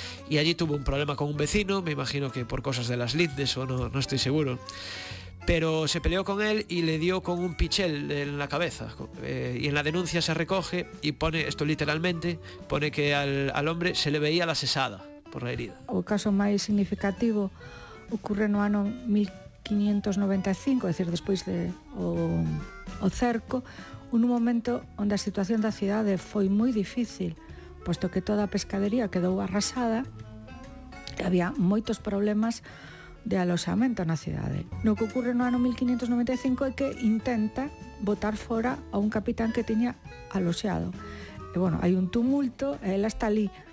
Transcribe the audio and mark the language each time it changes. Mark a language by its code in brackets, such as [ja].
[es] Y allí tuvo un problema con un vecino, me imagino que por cosas de las lindes o no estoy seguro. Pero se peleó con él y le dio con un pichel en la cabeza. Y en la denuncia se recoge y pone, esto literalmente, pone que al hombre se le veía la sesada por la herida. [gl] O caso máis significativo ocurre no ano 1595, [es] es decir, [gl] despois de o cerco, un momento onde a situación da cidade foi moi difícil, posto que toda a pescadería quedou arrasada e había moitos problemas de aloxamento na cidade. No que ocurre no ano 1595 é que intenta botar fora a un capitán que tiña aloxado. E, bueno, hai un tumulto, ela está ali.